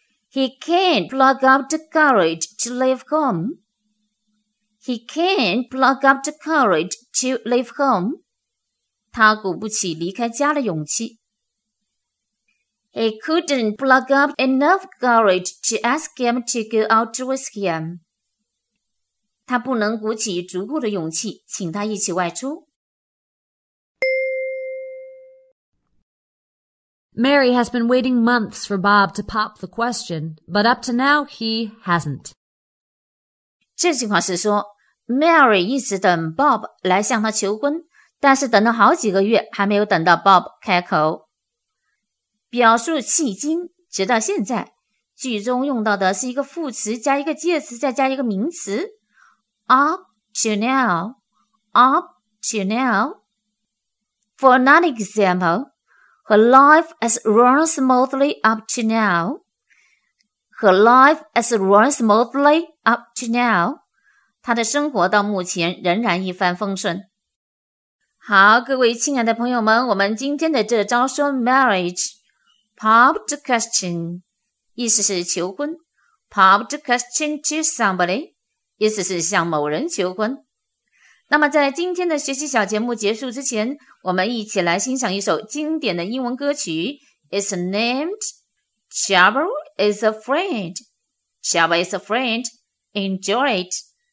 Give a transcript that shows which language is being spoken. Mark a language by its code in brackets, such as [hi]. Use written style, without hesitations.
[en] He can't pluck up the courage to leave home. He can't pluck up the courage to leave home. [zh] 他鼓不起离开家的勇气。 [en] He couldn't pluck up enough courage to ask him to go out with him. [zh] 他不能鼓起足够的勇气请他一起外出。 [en] Mary has been waiting months for Bob to pop the question, but up to now he hasn't. [zh] 这句话是说 ,Mary 一直等 Bob 来向她求婚,但是等了好几个月还没有等到 Bob 开口。表述迄今,直到现在,句中用到的是一个副词加一个介词再加一个名词 ,up to now, up to now. [en] For an example,Her life has run smoothly up to now. Her life has run smoothly up to now. [zh] 她的生活到目前仍然一帆风顺。好，各位亲爱的朋友们，我们今天的这招说 marriage, pop the question, 意思是求婚。 [en] Pop the question to somebody, [zh] 意思是向某人求婚。那么在今天的学习小节目结束之前，我们一起来欣赏一首经典的英文歌曲 [en] It's named Trouble is a friend Trouble is a friend Enjoy it